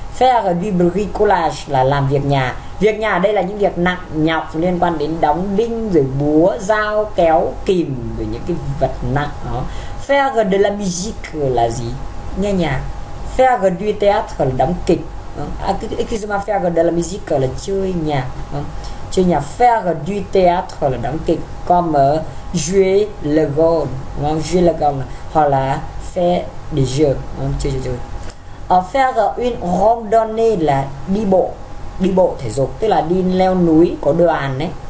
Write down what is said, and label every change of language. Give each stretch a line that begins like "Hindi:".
French: Faire du bricolage
Vietnamese: là làm việc nhà. Việc nhà đây là những việc nặng nhọc liên quan đến đóng đinh rồi búa, dao, kéo, kìm rồi những cái vật nặng đó.
French: Faire de la musique
Vietnamese: là gì? Nghe nhạc.
French: Faire du théâtre
Vietnamese: là đóng kịch.
French: Excuse-moi, faire de la musique
Vietnamese: là chơi nhạc. Chơi nhạc.
French: Faire du théâtre
Vietnamese: là đóng kịch.
French: Comme jouer le rôle. Jouer le rôle.
Vietnamese: Hoặc là
French: faire des jeux.
Vietnamese: Chơi chơi chơi.
French: Faire une randonnée
Vietnamese: là đi bộ thể dục, tức là đi leo núi có đoàn đấy.